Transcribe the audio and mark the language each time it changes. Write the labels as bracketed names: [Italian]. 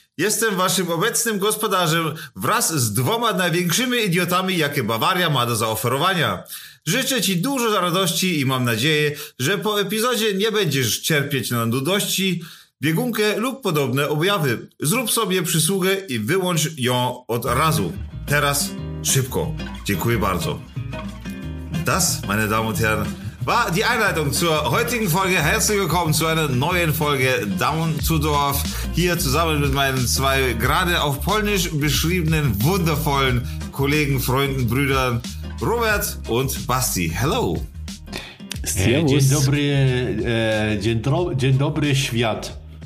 [Polish] Jestem waszym obecnym gospodarzem wraz z dwoma największymi idiotami, jakie Bawaria ma do zaoferowania. Życzę ci dużo radości i mam nadzieję, że po epizodzie nie będziesz cierpieć na nudości, biegunkę lub podobne objawy. Zrób sobie przysługę i wyłącz ją od razu. Teraz szybko. Dziękuję bardzo. [German] Das, meine Damen und Herren, war die Einleitung zur heutigen Folge. Herzlich willkommen zu einer neuen Folge Down to Dorf. Hier zusammen mit meinen zwei gerade auf Polnisch beschriebenen wundervollen Kollegen, Freunden, Brüdern Robert und Basti. [English] Hello. [Polish] Dzień dobry, dzień dobry świat.